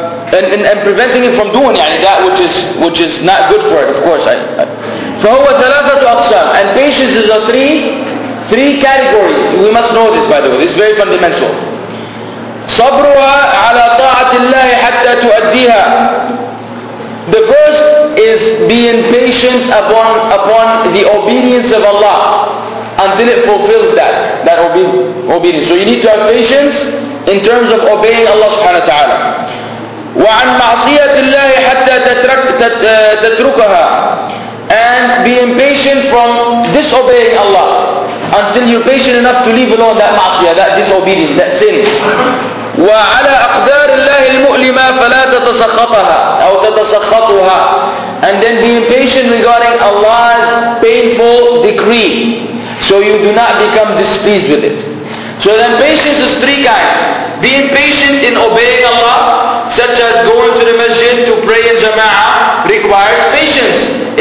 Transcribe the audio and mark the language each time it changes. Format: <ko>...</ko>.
<en>And preventing it from doing, يعني, that which is not good for it, of course.</en> <ar>فَهُوَ ثَلَاثَةُ أَقْسَامٍ.</ar> <en>And patience is a three categories. We must know this, by the way. It's very fundamental.</en> <ar>صبرها على طاعة الله حتى تؤديها.</ar> <en>The first is being patient upon the obedience of Allah until it fulfills that obedience. So you need to have patience in terms of obeying Allah subhanahu wa ta'ala.</en> <ar>وعن معصية الله حتى تتركها.</ar> <en>And being patient from disobeying Allah until you're patient enough to leave alone that ma'siyah, that disobedience, that sin.</en> <ar>وعلى أقدار الله المؤلمة فلا تتسخطها أو تتسخطها.</ar> <en>And then be impatient regarding Allah's painful decree, so you do not become displeased with it. So then patience is three kinds. Be impatient in obeying Allah, such as going to the masjid to pray in jama'ah requires patience.</en>